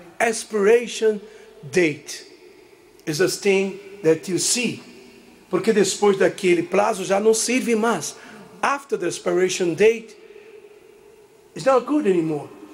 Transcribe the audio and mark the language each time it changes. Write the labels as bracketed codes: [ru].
[en] Expiration date is a thing that you see. [pt] Porque depois daquele prazo já não serve mais. [en] After the expiration date, it's not good anymore.